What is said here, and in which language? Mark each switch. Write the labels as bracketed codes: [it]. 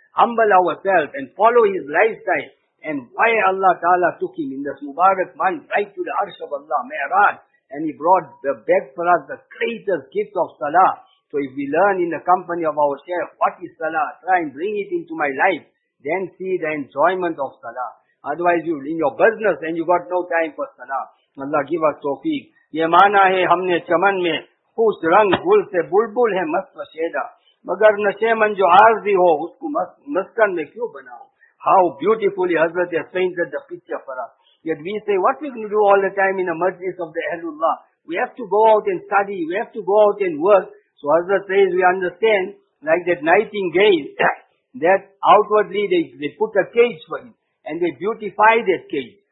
[en] Humble ourselves and follow his lifestyle. And why Allah Ta'ala took him in this Mubarak month right to the Arsh of Allah, Mi'raj, and he brought back for us the greatest gift of Salah. So if we learn in the company of our Shaykh, what is Salah? Try and bring it into my life. Then see the enjoyment of Salah. Otherwise you're in your business and you got no time for Salah. Allah give us tawfiq. [ur] Ye mana hai humne chaman mein محفوظ رنگ گل سے بلبل ہے مست و شیدہ، مگر نشے من جو عارضی ہو اس کو مسکن میں کیوں بناؤ. [en] How beautifully Hazrat has painted the picture for us. Yet we say, what we can do all the time in the majlis of the Ahlullah? We have to go out and study, we have to go out and work. So Hazrat says, we understand, like that nightingale, that outwardly they put a cage for him, and they beautify that cage.